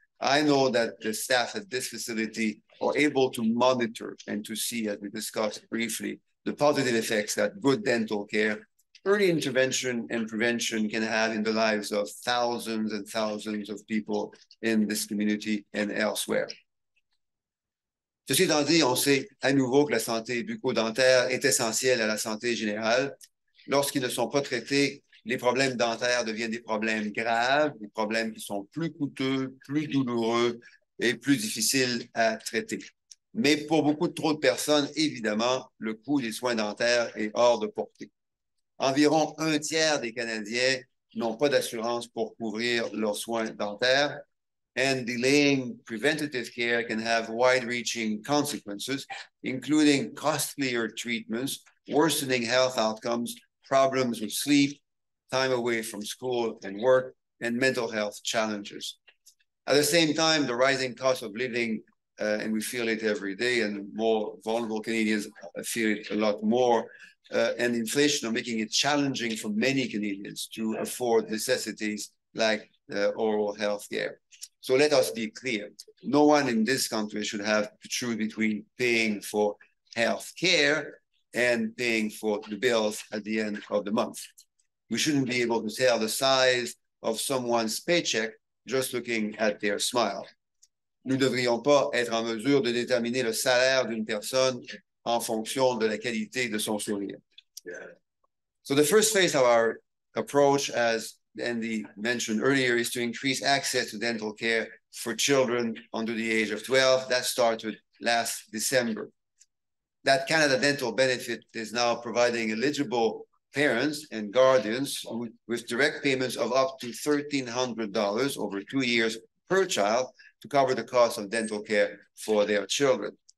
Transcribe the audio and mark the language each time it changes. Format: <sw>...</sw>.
<en>I know that the staff at this facility are able to monitor and to see, as we discussed briefly, the positive effects that good dental care, early intervention and prevention can have in the lives of thousands and thousands of people in this community and elsewhere.</en> <fr>Ceci étant dit, on sait à nouveau que la santé bucco-dentaire est essentielle à la santé générale. Lorsqu'ils ne sont pas traités, les problèmes dentaires deviennent des problèmes graves, des problèmes qui sont plus coûteux, plus douloureux et plus difficiles à traiter. Mais pour beaucoup trop de personnes, évidemment, le coût des soins dentaires est hors de portée. Environ un tiers des Canadiens n'ont pas d'assurance pour couvrir leurs soins dentaires.</fr> <en>And delaying preventative care can have wide-reaching consequences, including costlier treatments, worsening health outcomes, problems with sleep, time away from school and work, and mental health challenges. At the same time, the rising cost of living, and we feel it every day, and more vulnerable Canadians feel it a lot more, and inflation are making it challenging for many Canadians to afford necessities like oral health care. So let us be clear. No one in this country should have to choose between paying for health care and paying for the bills at the end of the month. We shouldn't be able to tell the size of someone's paycheck just looking at their smile.</en> <fr>nous devrions pas être en mesure de déterminer le salaire d'une personne en fonction de la qualité de son sourire.</fr> <en>So the first phase of our approach, as Andy mentioned earlier, is to increase access to dental care for children under the age of 12. That started last December. That Canada Dental benefit is now providing eligible parents and guardians with direct payments of up to $1,300 over 2 years per child to cover the cost of dental care for their children.</en>